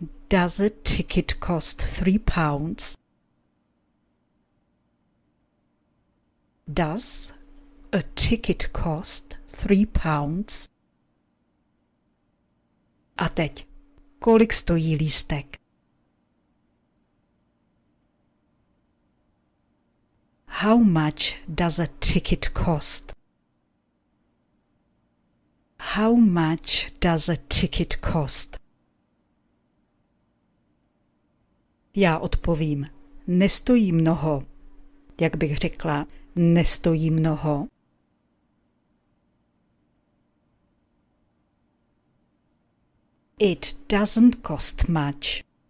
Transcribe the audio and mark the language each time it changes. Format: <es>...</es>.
<en>Does a ticket cost 3 pounds? Does a ticket cost 3 pounds?</en> <cs>A teď, kolik stojí lístek?</cs> <en>How much does a ticket cost? How much does a ticket cost?</en> <cs>Já odpovím, nestojí mnoho. Jak bych řekla, nestojí mnoho.</cs> <en>It doesn't cost much.</en>